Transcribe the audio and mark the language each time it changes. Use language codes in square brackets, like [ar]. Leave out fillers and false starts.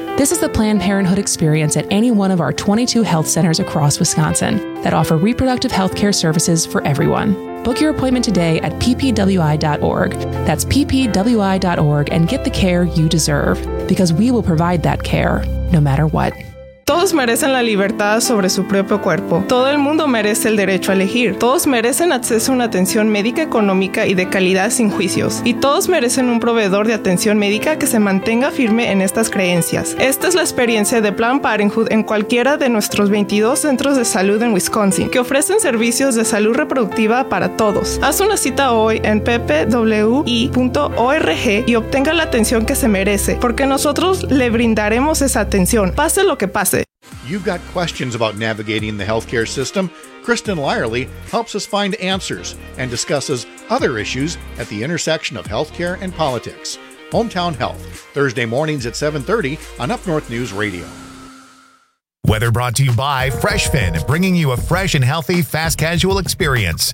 [en] This is the Planned Parenthood experience at any one of our 22 health centers across Wisconsin that offer reproductive healthcare services for everyone. Book your appointment today at ppwi.org. That's ppwi.org, and get the care you deserve, because we will provide that care no matter what. [es] Todos merecen la libertad sobre su propio cuerpo. Todo el mundo merece el derecho a elegir. Todos merecen acceso a una atención médica económica y de calidad sin juicios. Y todos merecen un proveedor de atención médica que se mantenga firme en estas creencias. Esta es la experiencia de Planned Parenthood en cualquiera de nuestros 22 centros de salud en Wisconsin, que ofrecen servicios de salud reproductiva para todos. Haz una cita hoy en ppwi.org y obtenga la atención que se merece, porque nosotros le brindaremos esa atención, pase lo que pase. [en] You've got questions about navigating the healthcare system? Kristen Lierley helps us find answers and discusses other issues at the intersection of healthcare and politics. Hometown Health, Thursday mornings at 7:30 on Up North News Radio. Weather brought to you by Freshfin, bringing you a fresh and healthy fast casual experience.